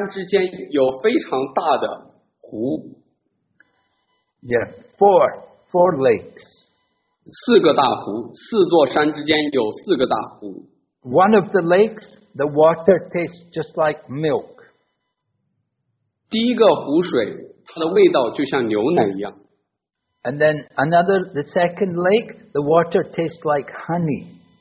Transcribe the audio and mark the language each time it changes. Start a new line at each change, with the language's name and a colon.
Chinese: 在这些山之间有非常大的湖。
English: Yeah, four lakes.
Chinese: 四个大湖，四座山之间有四个大湖。
English: One of the lakes, the water tastes just like milk.
Chinese: 第一个湖水，它的味道就像牛奶一样。
English: And then another, the second lake, the water tastes like honey.